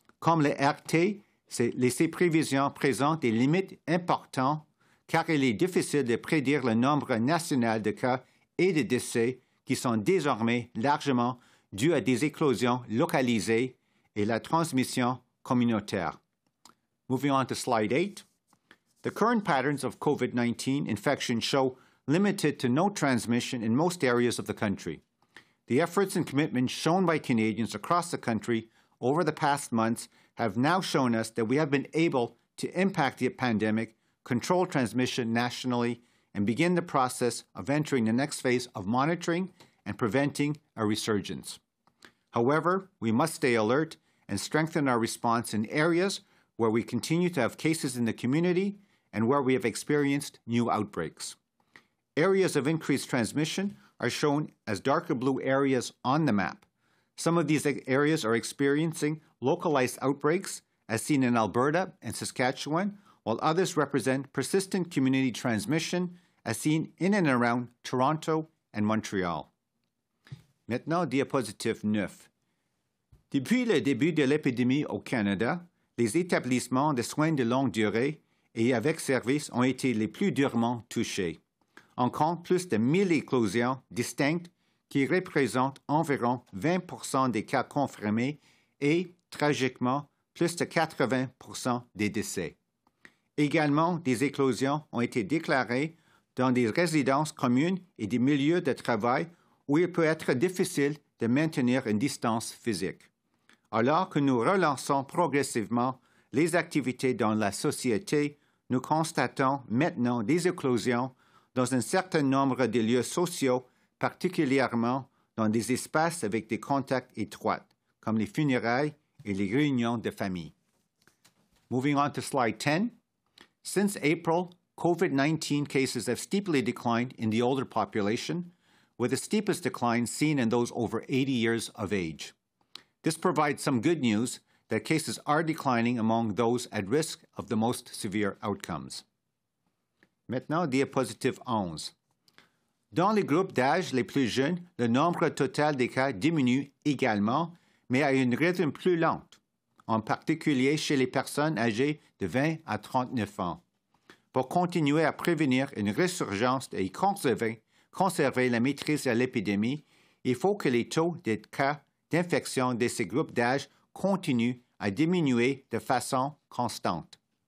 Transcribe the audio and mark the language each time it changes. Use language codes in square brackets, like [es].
[fr] Comme le RT, ces prévisions présentent des limites importantes car il est difficile de prédire le nombre national de cas et de décès qui sont désormais largement dus à des éclosions localisées et la transmission communautaire. [en] Moving on to slide 8. The current patterns of COVID-19 infection show limited to no transmission in most areas of the country. The efforts and commitment shown by Canadians across the country over the past months have now shown us that we have been able to impact the pandemic, control transmission nationally, and begin the process of entering the next phase of monitoring and preventing a resurgence. However, we must stay alert and strengthen our response in areas where we continue to have cases in the community and where we have experienced new outbreaks. Areas of increased transmission are shown as darker blue areas on the map. Some of these areas are experiencing localized outbreaks, as seen in Alberta and Saskatchewan, while others represent persistent community transmission, as seen in and around Toronto and Montreal. [fr] Maintenant, diapositive 9. Depuis le début de l'épidémie au Canada, les établissements de soins de longue durée et avec service ont été les plus durement touchés. On compte plus de 1 000 éclosions distinctes qui représentent environ 20 % des cas confirmés et, tragiquement, plus de 80 % des décès. Également, des éclosions ont été déclarées dans des résidences communes et des milieux de travail où il peut être difficile de maintenir une distance physique. Alors que nous relançons progressivement les activités dans la société, nous constatons maintenant des éclosions dans un certain nombre de lieux sociaux, particulièrement dans des espaces avec des contacts étroits, comme les funérailles et les réunions de famille. [en] Moving on to slide 10. Since April, COVID-19 cases have steeply declined in the older population, with the steepest decline seen in those over 80 years of age. This provides some good news that cases are declining among those at risk of the most severe outcomes. [fr] Maintenant, diapositive 11. Dans les groupes d'âge les plus jeunes, le nombre total des cas diminue également, mais à une rythme plus lente, en particulier chez les personnes âgées de 20 à 39 ans. Pour continuer à prévenir une résurgence et conserver la maîtrise de l'épidémie, il faut que les taux des cas d'infection de ces groupes d'âge continue à diminuer de façon constante.